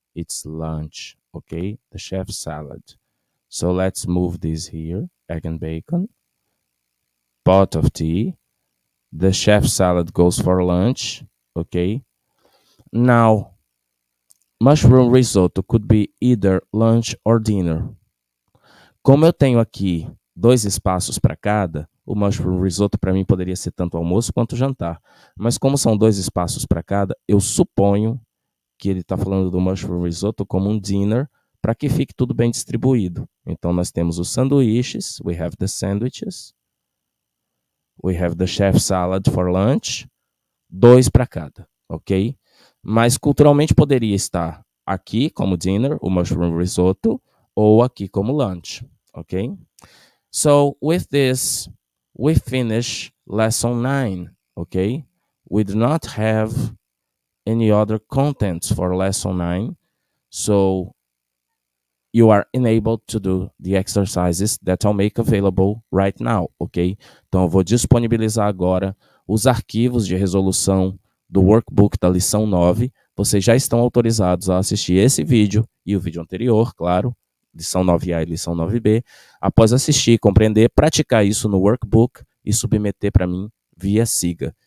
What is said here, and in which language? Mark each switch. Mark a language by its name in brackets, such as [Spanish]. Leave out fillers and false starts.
[English] It's lunch, okay? The chef's salad. So let's move this here. Egg and bacon, pot of tea, the chef's salad goes for lunch, okay? Now, mushroom risotto could be either lunch or dinner. [Portuguese] Como eu tenho aqui dois espaços para cada, o mushroom risotto para mim poderia ser tanto almoço quanto jantar. Mas como são dois espaços para cada, eu suponho que ele está falando do mushroom risotto como um dinner, para que fique tudo bem distribuído. Então, nós temos os sanduíches, [English] we have the sandwiches, we have the chef salad for lunch, [Portuguese] dois para cada, ok? Mas, culturalmente, poderia estar aqui como dinner, o mushroom risotto, ou aqui como lunch, ok? [English] So, with this, we finish lesson 9, ok? We do not have any other contents for lesson 9, so you are enabled to do the exercises that I'll make available right now, ok? [Portuguese] Então, eu vou disponibilizar agora os arquivos de resolução do workbook da lição 9. Vocês já estão autorizados a assistir esse vídeo e o vídeo anterior, claro, lição 9A e lição 9B. Após assistir, compreender, praticar isso no workbook e submeter para mim via SIGA.